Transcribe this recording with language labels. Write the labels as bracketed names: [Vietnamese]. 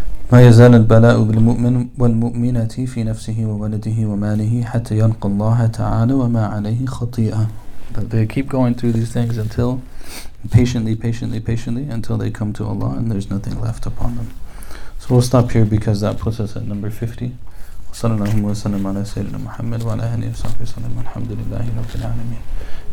[Arabic] ما يزال البلاء بالمؤمن والمؤمنة في نفسه وولده وماله حتى ينقى الله تعالى وما عليه خطيئة." [English] But they keep going through these things until patiently until they come to Allah and there's nothing left upon them. So we'll stop here because that puts us at number 50. [Arabic] صلى الله وسلم على سيدنا محمد وعلى آله وصحبه وسلم. الحمد لله رب العالمين.